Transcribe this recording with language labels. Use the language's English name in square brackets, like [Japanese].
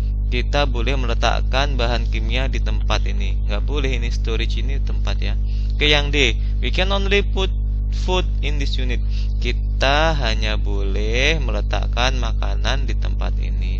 [Indonesian] Kita boleh meletakkan bahan kimia di tempat ini. Nggak boleh, ini storage, ini tempat ya. Oke, yang D. [English] We can only put food in this unit. [Indonesian] Kita hanya boleh meletakkan makanan di tempat ini.